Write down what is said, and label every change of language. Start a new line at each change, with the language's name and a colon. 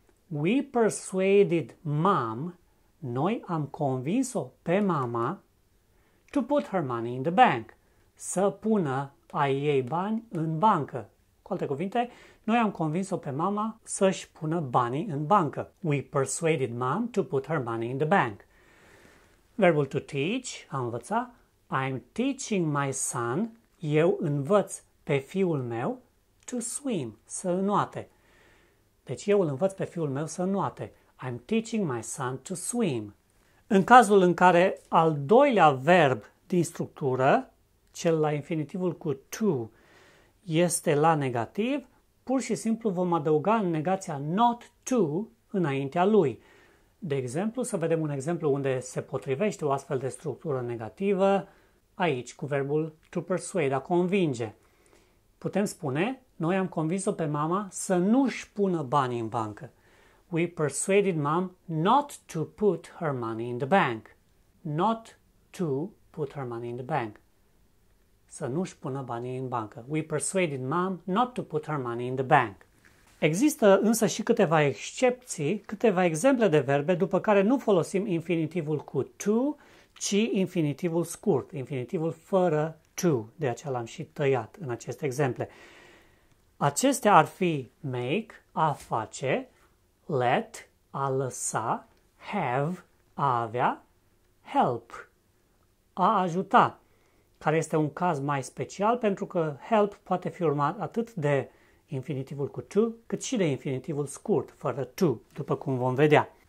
English: We persuaded mom,
Romanian: noi am convins-o pe mama,
English: to put her money in the bank,
Romanian: să pună ai ei bani în bancă. Cu alte cuvinte, noi am convins-o pe mama să-și pună banii în bancă.
English: We persuaded mom to put her money in the bank.
Romanian: Verbul to teach, a învăța.
English: I'm teaching my son,
Romanian: eu învăț pe fiul meu,
English: to swim,
Romanian: să înoate. Deci eu îl învăț pe fiul meu să înoate.
English: I'm teaching my son to swim.
Romanian: În cazul în care al doilea verb din structură, cel la infinitivul cu to, este la negativ, pur și simplu vom adăuga în negația not to înaintea lui. De exemplu, să vedem un exemplu unde se potrivește o astfel de structură negativă, aici, cu verbul to persuade, a convinge. Putem spune, noi am convins-o pe mama să nu-și pună banii în bancă.
English: We persuaded mom not to put her money in the bank. Not to put her money in the bank.
Romanian: Să nu-și pună banii în bancă.
English: We persuaded mom not to put her money in the bank.
Romanian: Există însă și câteva excepții, câteva exemple de verbe după care nu folosim infinitivul cu to, ci infinitivul scurt, infinitivul fără to. De aceea l-am și tăiat în aceste exemple. Acestea ar fi make, a face, let, a lăsa, have, a avea, help, a ajuta, care este un caz mai special pentru că help poate fi urmat atât de infinitivul cu to, cât și de infinitivul scurt, fără to, după cum vom vedea.